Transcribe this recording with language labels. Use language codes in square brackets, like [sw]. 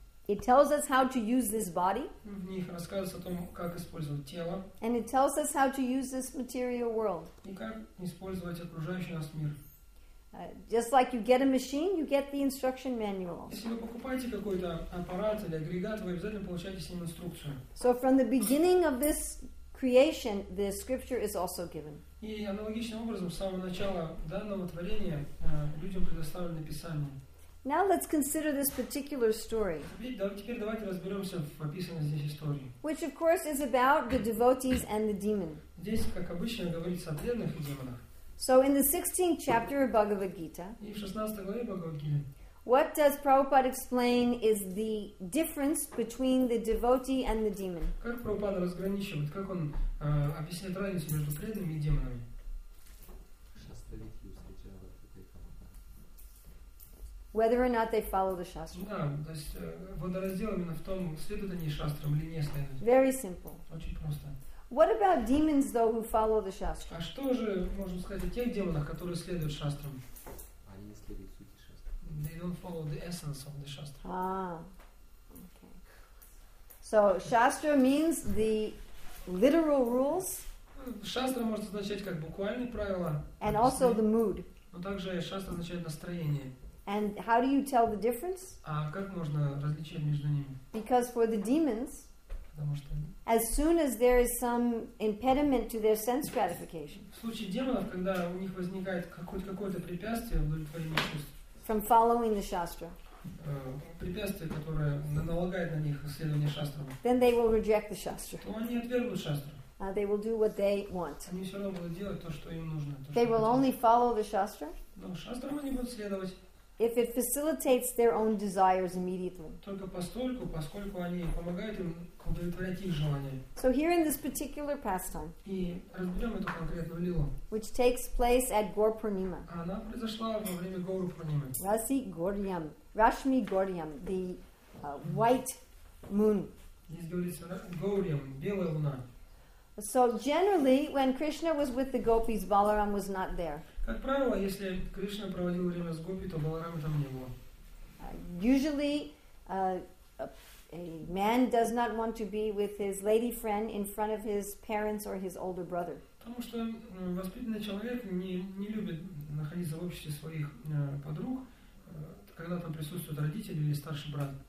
[en] It tells us how to use this body. [ru] В них рассказывается о том, как использовать тело. [en] And it tells us how to use this material world. [ru] И как использовать окружающий нас мир. [en] Just like you get a machine, you get the instruction manual. [ru] Если вы покупаете какой-то аппарат или агрегат, вы обязательно получаете с ним инструкцию. [en] So from the beginning of this creation, the scripture is also given. [ru] И аналогичным образом с самого начала данного творения людям предоставлено Писание. [en] Now let's consider this particular story. [ru] Теперь давайте разберемся в описанной здесь истории. [en] Which of course is about the devotees and the demon. [ru] Здесь, как обычно, говорится о преданных и демонах. [en] So in the 16th chapter of Bhagavad Gita. [ru] И в 16 главе Бхагавад Гиты. [en] What does Prabhupada explain is the difference between the devotee and the demon? [ru] Как Прабхупада разграничивает, как он объясняет разницу между преданными и демонами? [en] Whether or not they follow the shastra. [ru] Да, то есть водораздел именно в том, следуют они шастрам или не следуют. [en] Very simple. [ru] Очень просто. [en] What about demons, though, who follow the shastra? [ru] А что же можно сказать о тех демонах, которые следуют шастрам? Они не следуют сути шастра. [en] They don't follow the essence of the shastra. Ah, okay. So shastra means the literal rules. [ru] Шастра может означать как буквальные правила. [en] And also the mood. [ru] Но также шастра означает настроение. [en] And how do you tell the difference? [ru] А как можно различать между ними? [en] Because for the demons, [ru] потому что [en] as soon as there is some impediment to their sense gratification. [ru] В случае демонов, когда у них возникает какое-то препятствие в удовлетворении чувств. [en] From following the shastra. [ru] Препятствие, которое налагает на них следование шастрам. [en] Then they will reject the shastra. [ru] То они отвергнут шастру. [en] They will do what they want. [ru] Они все равно будут делать то, что им нужно. [en] They will only follow the Shastra. [ru] Но Шастрам они будут следовать. [en] If it facilitates their own desires immediately. [ru] Только постольку, поскольку они помогают им удовлетворять их желания. [en] So here in this particular pastime. [ru] И разберем эту конкретную лилу. [en] Which takes place at Gaur Purnima. [ru] Она произошла во время Гаур Пурнимы. [en] Rasi Gauriyam, Rashmi Gauriyam, the white moon. [ru] Здесь говорится Гауриям, белая луна. [en] So generally, when Krishna was with the gopis, Balaram was not there. [ru] Как правило, если Кришна проводил время с гопи, то Баларама там не было. [en] Usually, a man does not want to be with his lady friend in front of his parents or his older brother. [ru] Потому что воспитанный человек не любит находиться в обществе своих подруг, когда там присутствуют родители или старший брат.